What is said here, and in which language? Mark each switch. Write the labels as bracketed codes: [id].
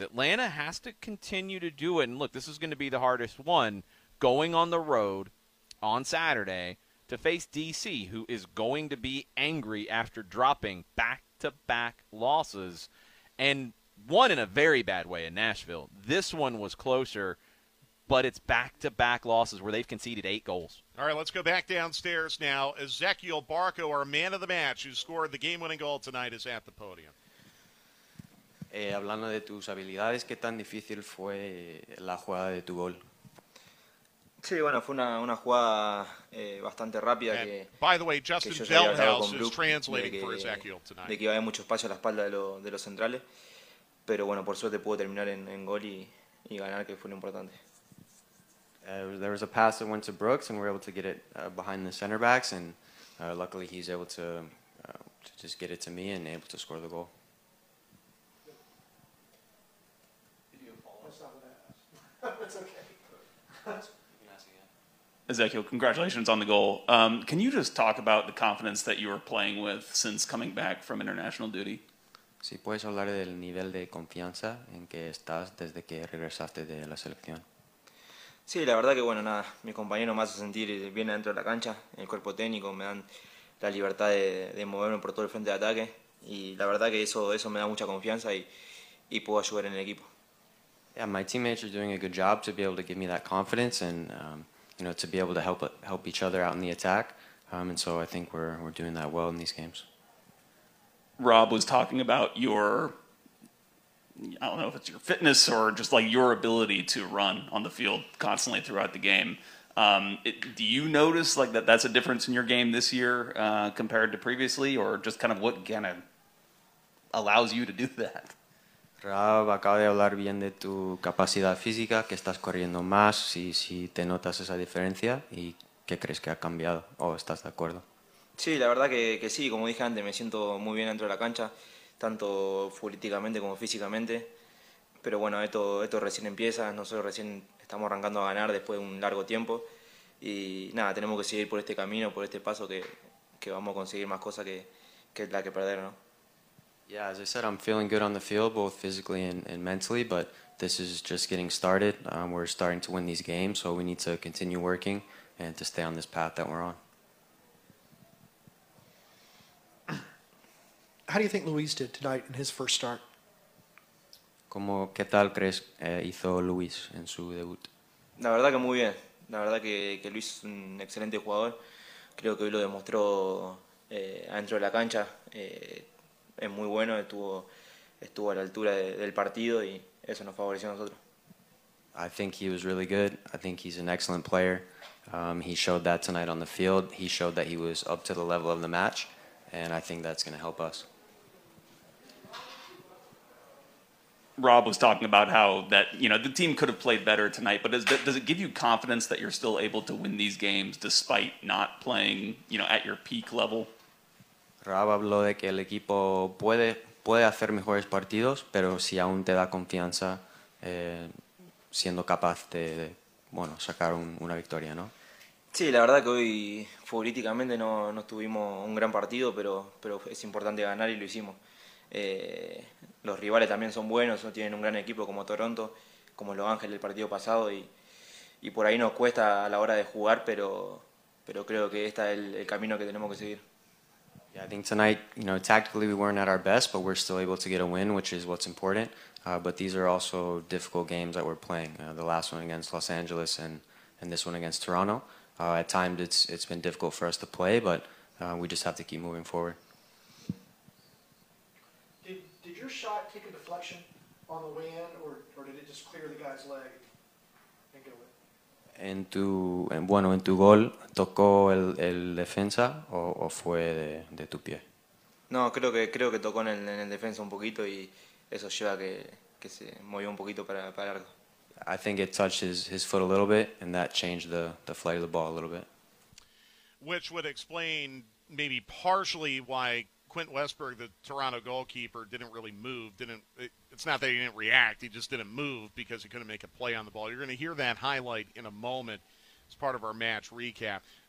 [en] Atlanta has to continue to do it. And look, this is going to be the hardest one, going on the road on Saturday to face D.C., who is going to be angry after dropping back-to-back losses. And one in a very bad way in Nashville. This one was closer, but it's back-to-back losses where they've conceded 8 goals. All right, let's go back downstairs now. Ezekiel Barco, our man of the match, who scored the game-winning goal tonight, is at the podium. [es] Hablando de tus habilidades, ¿qué tan difícil fue la jugada de tu gol? Sí, bueno, fue una jugada bastante rápida. [en] And by the way, Justin Delhouse is translating for Ezekiel tonight. [es] De que había mucho espacio a la espalda de los centrales. Pero bueno, por suerte pudo terminar en gol y ganar, que fue lo importante. [en] There was a pass that went to Brooks, and we were able to get it behind the center backs, and luckily he's able to just get it to me and able to score the goal. Did you apologize? Ezekiel, congratulations on the goal. Can you just talk about the confidence that you were playing with since coming back from international duty? [es] Si puedes hablar del nivel de confianza en que estás desde que regresaste de la selección. Sí, la verdad que bueno, nada, mis compañeros me hacen sentir bien dentro de la cancha, el cuerpo técnico me dan la libertad de moverme por todo el frente de ataque y la verdad que eso me da mucha confianza y puedo ayudar en el equipo. [en] Yeah, my teammates are doing a good job to be able to give me that confidence and you know, to be able to help each other out in the attack. And so I think we're doing that well in these games. Rob was talking about your, I don't know if it's your fitness or just like your ability to run on the field constantly throughout the game. Do you notice like that's a difference in your game this year compared to previously, or just kind of what kind of allows you to do that? [es] Rob acaba de hablar bien de tu capacidad física, que estás corriendo más, si te notas esa diferencia y qué crees que ha cambiado o estás de acuerdo. Sí, la verdad que sí, como dije antes, me siento muy bien dentro de la cancha, tanto futbolísticamente como físicamente, pero bueno, esto recién empieza, nosotros recién estamos arrancando a ganar después de un largo tiempo, y nada, tenemos que seguir por este camino, por este paso, que vamos a conseguir más cosas que la que perder, ¿no? [en] Yeah, as I said, I'm feeling good on the field, both physically and mentally, but this is just getting started, we're starting to win these games, so we need to continue working and to stay on this path that we're on. How do you think Luis did tonight in his first start? [es] ¿Cómo, qué tal crees hizo Luis en su debut? La verdad que muy bien. La verdad que Luis es un excelente jugador. Creo que hoy lo demostró dentro de la cancha. Es muy bueno. Estuvo a la altura del partido y eso nos favoreció a nosotros. [en] I think he was really good. I think he's an excellent player. He showed that tonight on the field. He showed that he was up to the level of the match. And I think that's going to help us. Rob was talking about how that, you know, the team could have played better tonight, but does it give you confidence that you're still able to win these games despite not playing, you know, at your peak level? [es] Rob habló de que el equipo puede hacer mejores partidos, pero si aún te da confianza siendo capaz de, bueno, sacar una victoria, ¿no? Sí, la verdad que hoy futbolísticamente no tuvimos un gran partido, pero es importante ganar y lo hicimos. Los rivales también son buenos, tienen un gran equipo como Toronto, como Los Ángeles el partido pasado y por ahí nos cuesta a la hora de jugar, pero pero creo que este es el camino que tenemos que seguir. [en] Yeah, I think tonight, you know, tactically we weren't at our best, but we're still able to get a win, which is what's important. But these are also difficult games that we're playing. The last one against Los Angeles and this one against Toronto. At times it's been difficult for us to play, but we just have to keep moving forward. Did your shot take a deflection on the way in, or did it just clear the guy's leg and get away? [es] En tu gol, ¿tocó el defensa o fue de tu pie? No, creo que tocó en el defensa un poquito y eso lleva que se movió un poquito para largo. [en] I think it touched his foot a little bit, and that changed the flight of the ball a little bit. Which would explain maybe partially why Quint Westberg, the Toronto goalkeeper, didn't really move. It's not that he didn't react. He just didn't move because he couldn't make a play on the ball. You're going to hear that highlight in a moment as part of our match recap.